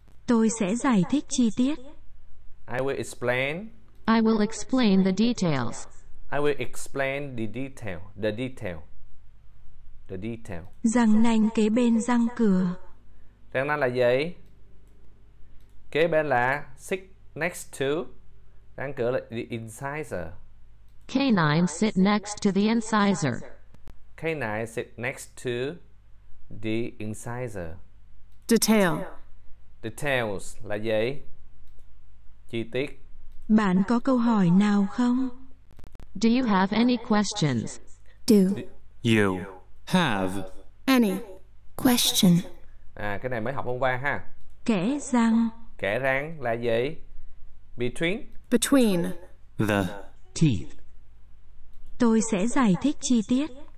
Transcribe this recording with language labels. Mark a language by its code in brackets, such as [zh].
[vi] Tôi sẽ giải thích chi tiết. [en] I will explain. I will explain the details. I will explain the detail. The detail. The detail. [vi] Răng nanh kế bên răng cửa. Răng nanh là gì? Kế bên là [en] sit next to. [vi] Răng cửa là [en] the incisor. Canine sit next to the incisor. Canine sit next to the incisor. Detail. [vi] Details là gì? Chi tiết. Bạn có câu hỏi nào không? [en] Do you have any questions? Do you have any question? [vi] À, cái này mới học hôm qua ha. Kẽ răng. Kẽ răng là gì? Between. [en] Between the teeth. [vi] Tôi sẽ giải thích chi tiết.